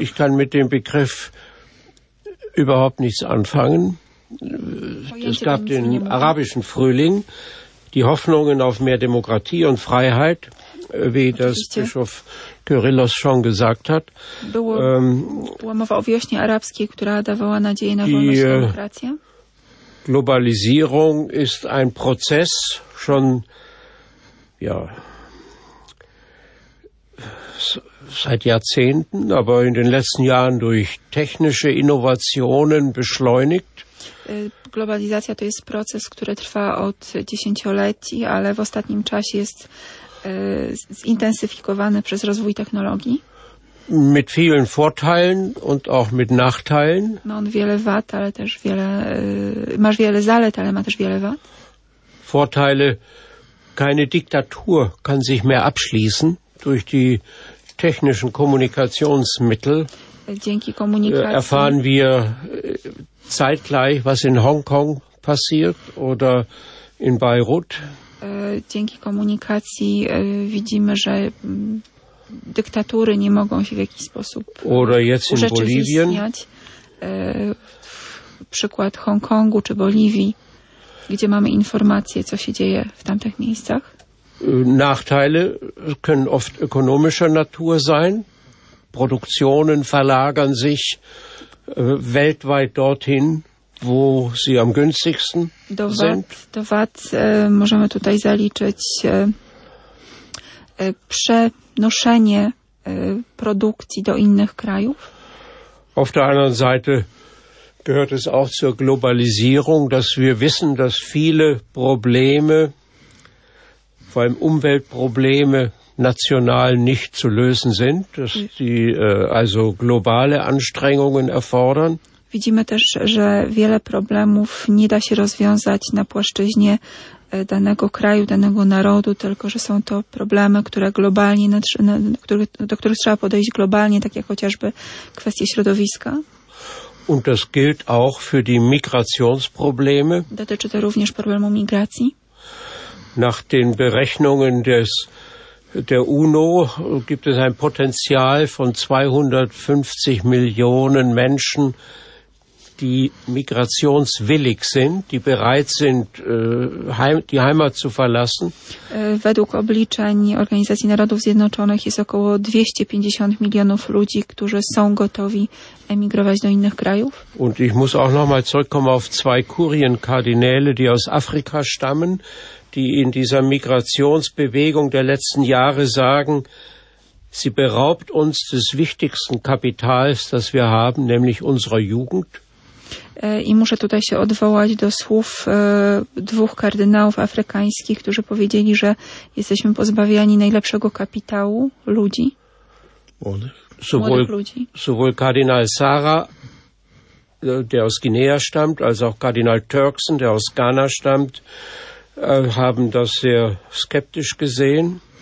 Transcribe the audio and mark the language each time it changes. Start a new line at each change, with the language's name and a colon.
German: Ich kann mit dem Begriff überhaupt nichts anfangen. Es gab den arabischen Frühling, die Hoffnungen auf mehr Demokratie und Freiheit, wie das Bischof Kyrillos schon gesagt hat.
Polish: Była mowa o wiośnie arabskiej, która dawała nadzieję na wolność i demokrację.
German: Globalisierung ist ein Prozess schon, ja, seit Jahrzehnten, aber in den letzten Jahren durch technische Innovationen beschleunigt.
Polish: Globalizacja to jest proces, który trwa od 10 lat, ale w ostatnim czasie jest zintensyfikowane przez rozwój technologii.
German: Mit vielen Vorteilen und auch mit Nachteilen.
Polish: Ma on wiele wad, ale też wiele, masz wiele zalet, ale ma też wiele wad.
German: Vorteile, keine Diktatur kann sich mehr abschließen durch die technischen Kommunikationsmittel.
Polish: Dzięki komunikacji
German: erfahren wir zeitgleich, was in Hongkong passiert oder in Beirut.
Polish: Dzięki komunikacji widzimy, że dyktatury nie mogą się w jakiś sposób urzeczywistniać. Przykład Hongkongu czy Boliwii, gdzie mamy informacje, co się dzieje w tamtych miejscach.
German: Nachteile können oft ökonomischer Natur sein. Produktionen verlagern sich weltweit dorthin, wo sie am günstigsten sind.
Polish: Do wad możemy tutaj zaliczyć przenoszenie produkcji do innych krajów.
German: Auf der anderen Seite gehört es auch zur Globalisierung, dass wir wissen, dass viele Probleme, vor allem Umweltprobleme, national nicht zu lösen sind, dass die also globale Anstrengungen erfordern.
Polish: Widzimy też, że wiele problemów nie da się rozwiązać na płaszczyźnie danego kraju, danego narodu, tylko że są to problemy, które globalnie, do których trzeba podejść globalnie, tak jak chociażby kwestie środowiska.
German: Und das gilt auch für die Migrationsprobleme.
Polish: Dotyczy to również problemu migracji.
German: Nach den Berechnungen der UNO gibt es ein Potenzial von 250 Millionen Menschen, die migrationswillig sind, die bereit sind, die Heimat zu verlassen.
Polish: Według obliczeń Organizacji Narodów Zjednoczonych jest około 250 milionów ludzi, którzy są gotowi emigrować do innych krajów.
German: Und ich muss auch noch mal zurückkommen auf 2 Kurienkardinäle, die aus Afrika stammen, die in dieser Migrationsbewegung der letzten Jahre sagen, Sie beraubt uns des wichtigsten Kapitals, das wir haben, nämlich unserer Jugend.
Polish: I muszę tutaj się odwołać do słów dwóch kardynałów afrykańskich, którzy powiedzieli, że jesteśmy pozbawiani najlepszego kapitału ludzi.
German: Sowohl kardynał Sara, der aus Guinea stammt, als auch kardynał Turkson, der aus Ghana stammt, haben das sehr skeptisch gesehen.